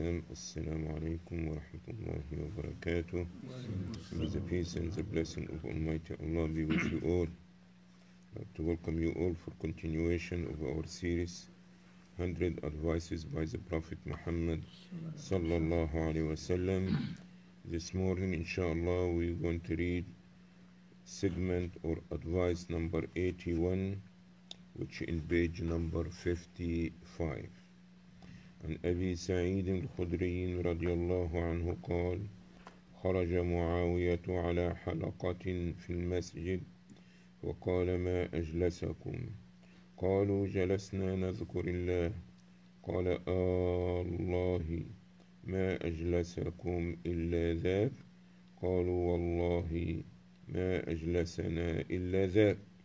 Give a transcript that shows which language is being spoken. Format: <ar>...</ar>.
<ar>السلام عليكم ورحمة الله وبركاته.</ar> <en>The peace and the blessing of Almighty Allah be with you all. I'd like to welcome you all for continuation of our series 100 Advices by the Prophet Muhammad</en> <ar>صلى الله عليه وسلم.</ar> <en>This morning, inshallah, we're going to read segment or advice number 81, which in page number 55.</en> <ar>عن أبي سعيد الخدري رضي الله عنه قال خرج معاوية على حلقة في المسجد وقال ما أجلسكم؟ قالوا جلسنا نذكر الله. قال الله ما أجلسكم إلا ذاك؟ قالوا والله ما أجلسنا إلا ذاك.</ar>